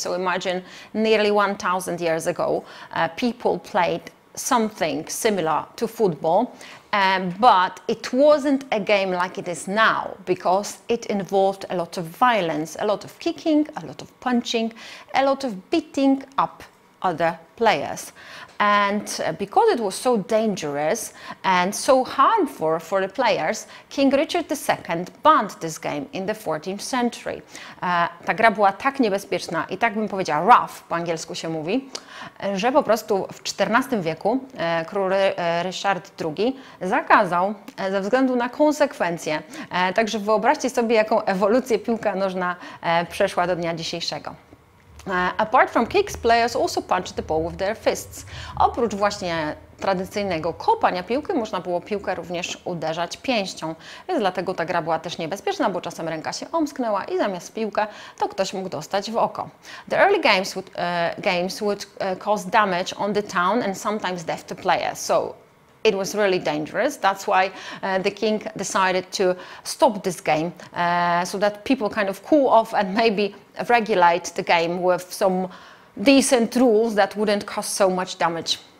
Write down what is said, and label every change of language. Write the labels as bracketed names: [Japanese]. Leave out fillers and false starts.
[English] So imagine nearly 1,000 years ago, people played something similar to football, but it wasn't a game like it is now because it involved a lot of violence, a lot of kicking, a lot of punching, a lot of beating up other players. And because it was so dangerous and so harmful for the players, King Richard II banned this game in the 14th century. [Polish] Ta gra była tak niebezpieczna i tak bym powiedziała rough, po angielsku się mówi, że po prostu w XIV wieku król Ryszard II zakazał ze względu na konsekwencje. Także wyobraźcie sobie, jaką ewolucję piłka nożna przeszła do dnia dzisiejszego. [English] Apart from kicks, players also punched the ball with their fists. [Polish] Oprócz właśnie tradycyjnego kopania piłki, można było piłkę również uderzać pięścią. Więc dlatego ta gra była też niebezpieczna, bo czasem ręka się omsknęła i zamiast piłkę, to ktoś mógł dostać w oko. [English] The early games would cause damage on the town and sometimes death to players. So it was really dangerous. That's why the king decided to stop this game so that people kind of cool off and maybe regulate the game with some decent rules that wouldn't cause so much damage.